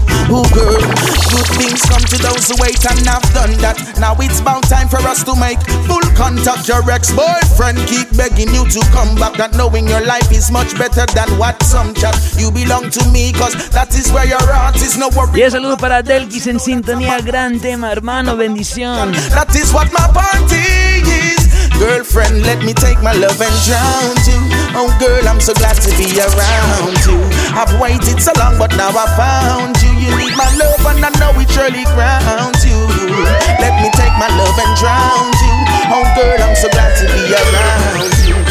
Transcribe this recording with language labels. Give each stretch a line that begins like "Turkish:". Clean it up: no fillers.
English: Oh girl, good things come to those who wait, and I've done that. Now it's about time for us to make full contact. Your ex-boyfriend keep begging you to come back, not knowing your life is much better than what some chat. You belong to me, cause that is where your heart is, no worry.
Spanish: Y el saludo para Delkis en sintonía, gran tema, hermano, bendición.
English: That is what my party is. Girlfriend, let me take my love and drown you. Oh girl, I'm so glad to be around you. I've waited so long, but now I found you. You need my love, and I know it surely grounds you. Let me take my love and drown you. Oh girl, I'm so glad to be around you.